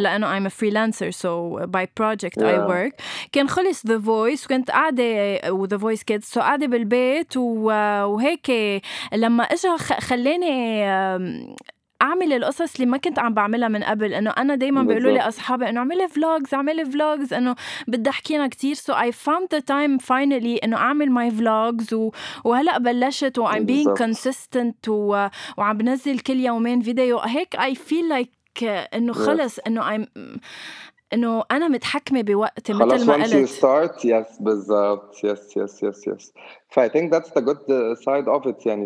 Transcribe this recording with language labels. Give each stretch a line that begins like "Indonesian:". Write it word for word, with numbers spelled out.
Arabic: لانه
English: I'm a freelancer so by project I yeah
Arabic: work، كان خلص The Voice وكنت قاعده وذا فويس كيدز، سو قاعده بالبيت و- وهيك لما اجى خ- خلاني آم، اعمل القصص اللي ما كنت عم بعملها من قبل. انه انا دايما بيقولوا لي اصحابي انه اعملي فلوجز اعملي فلوجز، انه بدي حكينا كثير.
English: so I found the time finally
Arabic: انه اعمل
English: ماي فلوجز،
Arabic: وهلا بلشت وعم بين كونسيستنت وعم بنزل كل يومين فيديو هيك.
English: I feel like
Arabic: انه خلص انه ام انه انا متحكمه بوقتي مثل ما قلت.
English: Once you start yes بالضبط yes yes yes yes. So I think that's the good side of it يعني.